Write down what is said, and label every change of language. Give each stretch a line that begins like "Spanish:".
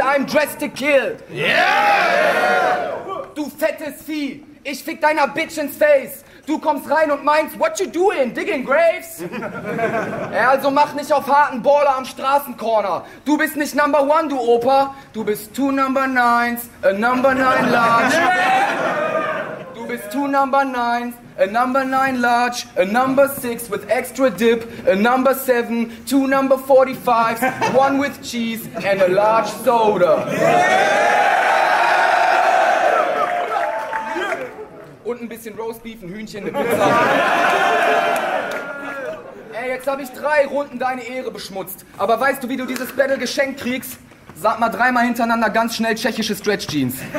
English: I'm dressed to kill. Yeah!
German: Du fettes Vieh, ich fick deiner Bitch ins Face. Du kommst rein und meinst,
English: what you doing, digging graves?
German: also mach nicht auf harten Baller am Straßencorner. Du bist nicht
English: number one,
German: du Opa. Du bist
English: two number nines, a number nine large.
German: Du bist
English: two number nines, a number nine large, a number six with extra dip, a number seven, two number 45s, one with cheese and a large soda. Yeah!
German: Und ein bisschen Roastbeef, ein Hühnchen, eine Pizza. jetzt habe ich drei Runden deine Ehre beschmutzt. Aber weißt du, wie du dieses Battle geschenkt kriegst? Sag mal dreimal hintereinander ganz schnell tschechische Stretch Jeans.